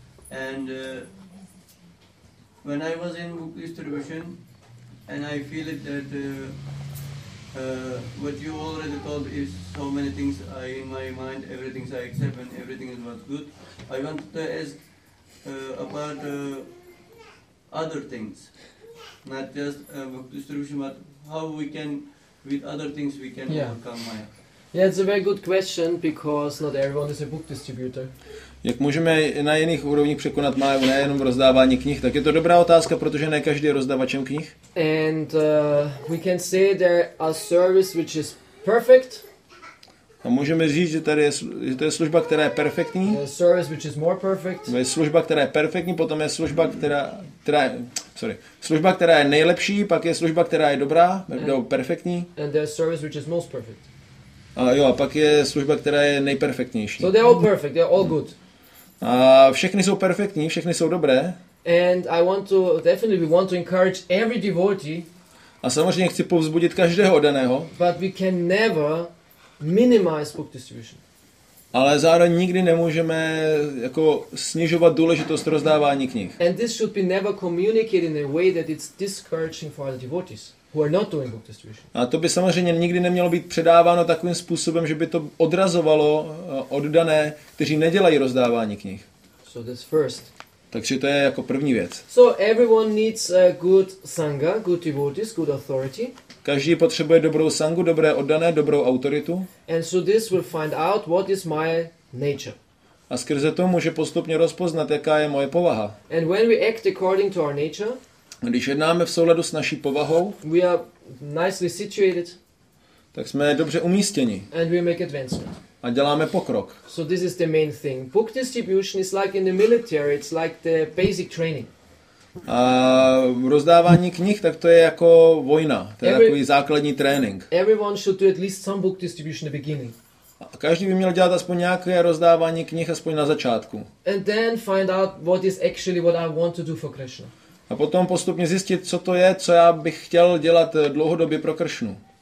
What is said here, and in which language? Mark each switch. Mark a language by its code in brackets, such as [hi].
[en] And when I was in book distribution, and I feel it that what you already told is so many things I, in my mind, everything I accept and everything is not good. I want to ask about other things. Not just book distribution, but how we can, with other things, we can overcome Maya. Yeah, it's a very good question because not everyone is a book distributor. [cs] Jak můžeme na jiných úrovních překonat Maju, nejenom v rozdávání knih, tak je to dobrá otázka, protože ne každý je rozdávačem knih. [en] And we can say there a service which is perfect. [cs] A můžeme říct, že tady je, že to je služba, která je perfektní. [en] A service which is more perfect. [cs] Je služba, která je perfektní, potom je služba, která sorry, služba, která je nejlepší, pak je služba, která je dobrá, nebo perfektní. [en] And there's service which is most perfect. [cs] A jo, a pak je služba, která je nejperfektnější. [en] So they're all perfect, they're all good. [cs] A všechny jsou perfektní, všechny jsou dobré. [en] And I want to, definitely want to encourage every devotee. [cs] A samozřejmě chci povzbudit každého daného. [en] But we can never minimize book distribution. [cs] Ale zároveň nikdy nemůžeme jako snižovat důležitost rozdávání knih. [en] And this should be never communicated in a way that it's discouraging for other devotees. Who are not doing book distribution. [cs] A to by samozřejmě nikdy nemělo být předáváno takovým způsobem, že by to odrazovalo oddané, kteří nedělají rozdávání knih. [en] So that's first. [cs] Takže to je jako první věc. [en] So everyone needs a good sangha, good devotees, good authority. [cs] Každý potřebuje dobrou sangu, dobré oddané, dobrou autoritu. [en] And so this will find out what is my nature. [cs] A skrze to může postupně rozpoznat, jaká je moje povaha. [en] And when we act according to our nature, [cs] když jednáme v souladu s naší povahou, [en] we are nicely situated, [cs] tak jsme dobře umístěni. [en] And we make advancement. [cs] A děláme pokrok. [en] So this is the main thing. Book distribution is like in the military, it's like the basic training. [cs] A rozdávání knih, tak to je jako vojna, to je takový základní trénink. [en] Everyone should do at least some book distribution in the beginning. [cs] A každý by měl dělat aspoň nějaké rozdávání knih aspoň na začátku. [en] And then find out what is actually what I want to do for Krishna. [cs] A potom postupně zjistit, co to je, co já bych chtěl dělat dlouhodobě pro Kršnu.